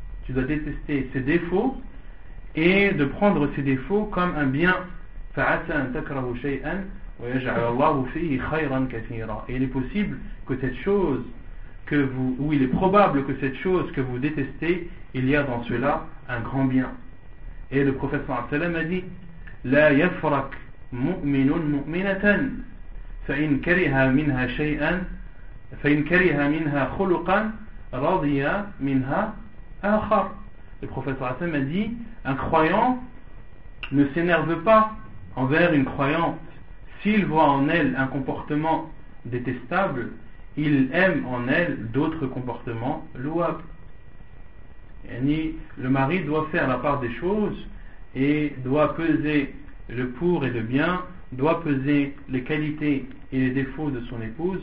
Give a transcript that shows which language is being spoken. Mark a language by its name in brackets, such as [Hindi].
[French] Tu dois détester ses défauts et de prendre ses défauts comme un bien. [Arabic] فَعَسَا أَن تَكْرَهُ شَيْئًا وَيَجْعَلَ اللَّهُ فِيهِ خَيْرًا كَثِيرًا. Et il est possible que cette chose que vous, ou il est probable que cette chose que vous détestez, il y a dans cela un grand bien. [French] Et le prophète sallam a dit [Arabic] لَا يَفْرَكْ مُؤْمِنٌ مُؤْمِنَةً فَإِنْ كَرِهَا مِنْهَا شَيْئًا فَإِنْ كَرِهَا مِنْهَا خُلُقًا رَضِيَا مِنْهَا آخَر. [French] Le prophète sallam a dit un croyant ne s'énerve pas envers une croyante. S'il voit en elle un comportement détestable, il aime en elle d'autres comportements louables. Yani, le mari doit faire la part des choses et doit peser le pour et le bien, doit peser les qualités et les défauts de son épouse.